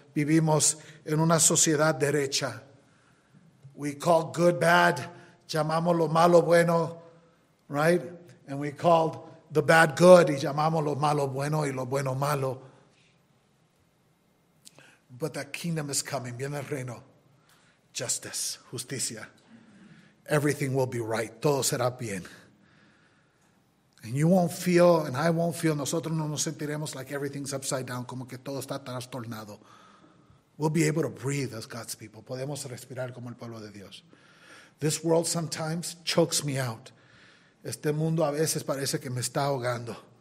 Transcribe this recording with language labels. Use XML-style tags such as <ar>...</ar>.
<es>Vivimos en una sociedad derecha.</es> <en>We call good bad.</en> <es>Llamamos lo malo bueno,</es> <en>right? And we called the bad good.</en> <es>Y llamamos lo malo bueno y lo bueno malo.</es> <en>But the kingdom is coming.</en> <es>Viene el reino.</es> <en>Justice.</en> <es>Justicia.</es> <en>Everything will be right.</en> <es>Todo será bien.</es> <en>And you won't feel, and I won't feel,</en> <es>nosotros no nos sentiremos</es> <en>like everything's upside down,</en> <es>como que todo está trastornado.</es> <en>We'll be able to breathe as God's people.</en> <es>Podemos respirar como el pueblo de Dios.</es> <en>This world sometimes chokes me out.</en> <es>Este mundo a veces parece que me está ahogando.</es>